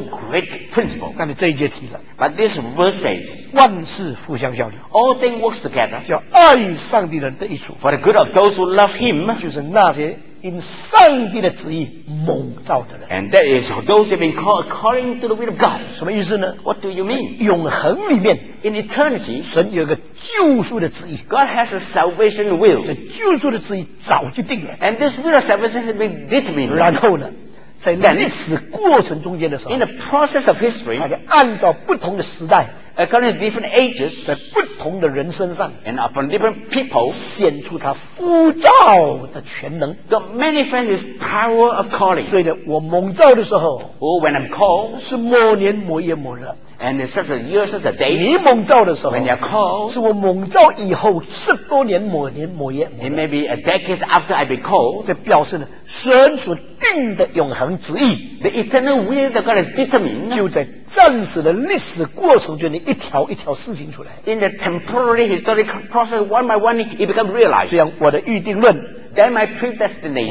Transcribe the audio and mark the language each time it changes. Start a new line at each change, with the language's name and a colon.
English: So great principle.
Chinese: 刚才这一节提了。
English: But this verse says,
Chinese: 万事互相效力。
English: All things works together.
Chinese: 叫爱上帝的人得益处。
English: For the good of those who love Him.
Chinese: 就是那些。 In 上帝的旨意蒙召的人
English: ，and that is those have been called according to the will of God.
Chinese: 什么意思呢
English: ？What do you mean?
Chinese: 永恒里面
English: ，in eternity，
Chinese: 神有个救赎的旨意
English: ，God has a salvation will.
Chinese: 这救赎的旨意早就定了
English: ，and this will of salvation has been determined.
Chinese: 然后呢？在历史过程中间的时候
English: ，in the process of history，
Chinese: 它按照不同的时代
English: ，according to different ages，
Chinese: 在不同的人身上
English: ，and upon different people，
Chinese: 显出它呼召的全能
English: ，the manifest is power of calling。
Chinese: 所以呢，我蒙召的时候
English: ，or when I'm called，
Chinese: 是某年某月某日。
English: And it's such a year, such a day.
Chinese: 你蒙召的时候
English: ，when you're called，
Chinese: 是我蒙召以后十多年某年某月某。
English: It may be a decade after I've been called.
Chinese: 这表示呢，神所定的永恒旨意
English: ，the eternal will that God has determined，
Chinese: 就在暂时的历史过程中的一条一条事情出来。
English: In the temporary historical process, one by one, it becomes realized.
Chinese: 这样，我的预定论。
English: Then my predestination.